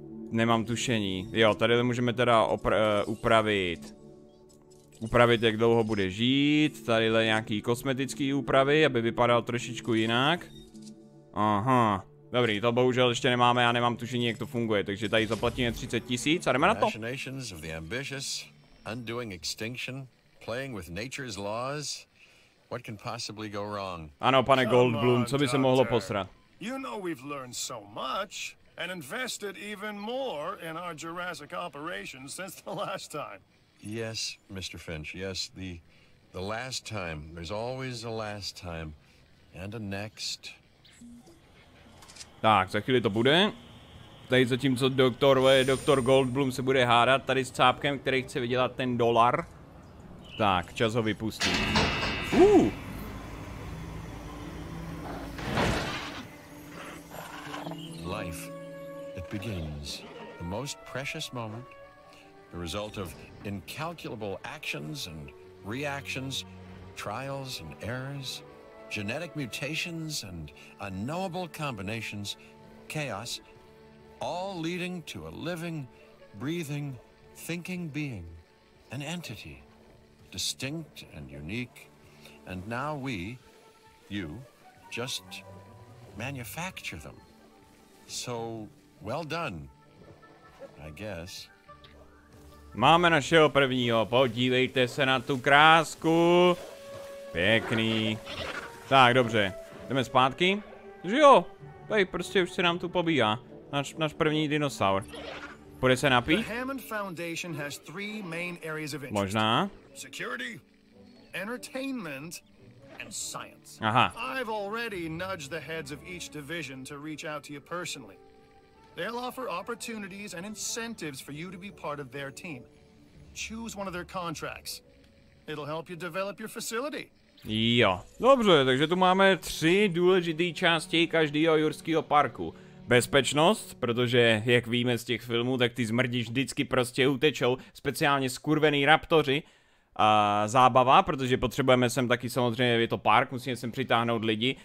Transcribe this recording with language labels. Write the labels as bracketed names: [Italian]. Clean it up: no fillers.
[Czech] Nemám tušení. Jo, tady můžeme teda upravit. Upravit, jak dlouho bude žít. Tadyhle nějaký kosmetický úpravy, aby vypadal trošičku jinak. Aha. Dobrý, to bohužel ještě nemáme, já nemám tušení, jak to funguje. Takže tady zaplatíme 30 tisíc a jdeme na to. [English] Machinations of the ambitious, undoing extinction, playing with nature's laws. What can possibly go wrong? [Czech] Ano, pane Goldblum, co by se mohlo posrat? [English] You know we've learned so much and invested even more in our Jurassic operations since the last time. Yes, Mr. Finch. Yes, the last time. There's always a last time and a next. [Czech] Tak, za chvíli to bude. Tady zatímco doktor Goldblum se bude hádat tady s cápkem, který chce vydělat ten dolar. Tak, čas ho vypustit. [English] Life, it begins. The most precious moment, the result of incalculable actions and reactions, trials and errors, genetic mutations and unknowable combinations, chaos, all leading to a living, breathing, thinking being, an entity, distinct and unique. And now we, you, just manufacture them. So, well done, I guess. [Czech] Máme našeho prvního, podívejte se na tu krásku. Pěkný. Tak, dobře, jdeme zpátky. Jo, tady prostě už se nám tu pobíjá. Náš první dinosaur. Půjde se napít? [English] The Hammond Foundation has three main areas of interest. [Czech] Možná. [English] Security. Entertainment and science. Aha. I've already nudged the heads of each division to reach out to you personally. They'll offer opportunities and incentives for you to be part of their team. Choose one of their contracts. It'll help you develop your facility. [Czech] Jo. Dobře, takže tu máme tři důležité části každého jurského parku. Bezpečnost, protože jak víme z těch filmů, tak ty zmrdi vždycky prostě utečou, speciálně skurvený raptoři. A zábava, protože potřebujeme sem taky samozřejmě, je to park, musíme sem přitáhnout lidi.